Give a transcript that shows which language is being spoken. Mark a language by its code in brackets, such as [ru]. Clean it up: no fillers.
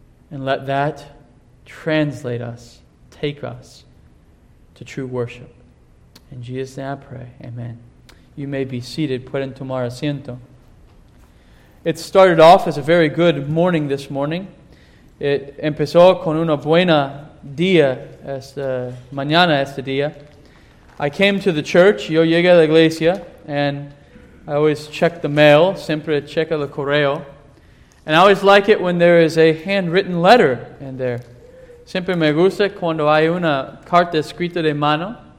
[en] And let that translate us, take us to true worship. In Jesus' name I pray, amen. You may be seated. [es] Pueden tomar asiento. [en] It started off as a very good morning this morning. [es] It empezó con una buena día, esta mañana, este día. [en] I came to the church, [es] yo llegué a la iglesia, [en] and I always check the mail, [es] siempre checo el correo. [en] And I always like it when there is a handwritten letter in there. [es] Siempre me gusta cuando hay una carta escrita de mano.